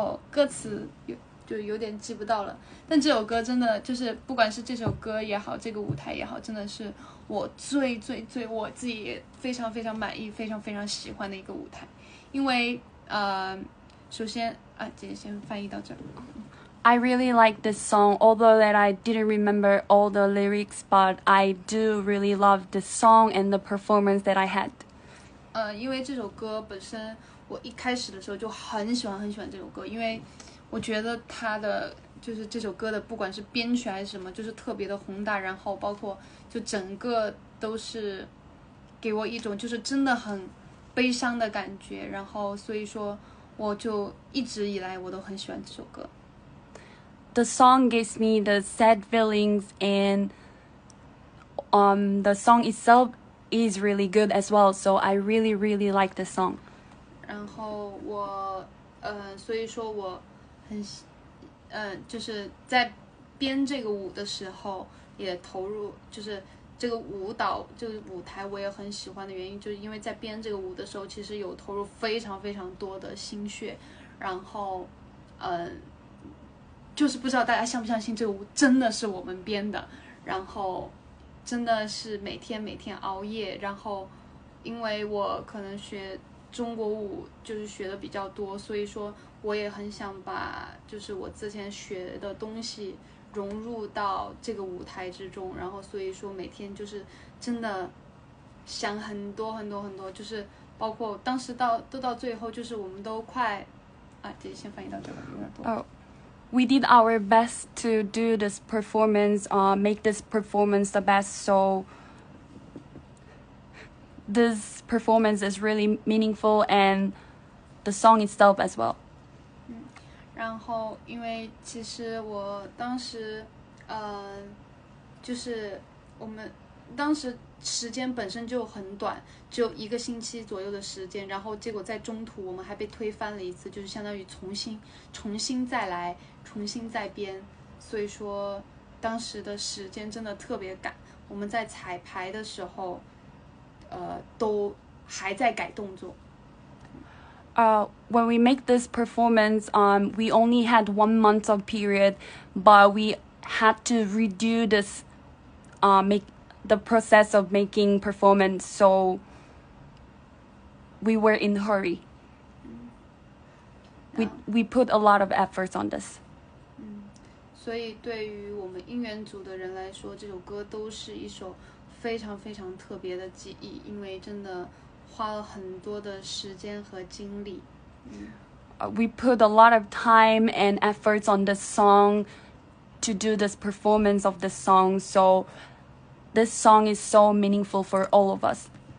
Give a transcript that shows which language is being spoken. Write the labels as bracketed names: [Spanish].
[Chinese] 歌词就有点记不到了，但这首歌真的就是不管是这首歌也好，这个舞台也好，真的是我最最最我自己非常非常满意非常非常喜欢的一个舞台。因为首先姐姐先翻译到这儿。 [English] I really like this song, although that I didn't remember all the lyrics, but I do really love the song and the performance that I had. [Chinese] 因为这首歌本身我一开始的时候就很喜欢很喜欢这首歌，因为我觉得它的就是这首歌的不管是编曲还是什么就是特别的宏大，然后包括就整个都是给我一种就是真的很悲伤的感觉，然后所以说我就一直以来我都很喜欢这首歌。 [English] The song gives me the sad feelings and the song itself is really good as well, so I really really like the song. [Chinese] 然后我所以说我很就是在编这个舞的时候也投入，就是这个舞蹈这个舞台我也很喜欢的原因，就是因为在编这个舞的时候其实有投入非常非常多的心血，然后就是不知道大家相不相信这个舞真的是我们编的，然后真的是每天每天熬夜，然后因为我可能学中国舞就是学的比较多，所以说我也很想把就是我之前学的东西融入到这个舞台之中，然后所以说每天就是真的想很多很多很多，就是包括当时到都到最后就是我们都快啊，姐姐先翻译到这个有点多。 [English] We did our best to do this performance, make this performance the best, so this performance is really meaningful and the song itself as well. [Chinese] 嗯，然后因为其实我当时就是我们当时时间本身就很短，就一个星期左右的时间，然后结果在中途我们还被推翻了一次，就是相当于重新再来重新再编，所以说当时的时间真的特别赶，我们在彩排的时候都还在改动作。 [English] When we make this performance, we only had 1 month of period, but we had to redo this, make the process of making performance, so we were in a hurry. We put a lot of efforts on this. [Chinese] 所以对于我们音源组的人来说，这首歌都是一首非常非常特别的记忆，因为真的花了很多的时间和精力。 [English] We put a lot of time and efforts on this song to do this performance of this song, so this song is so meaningful for all of us.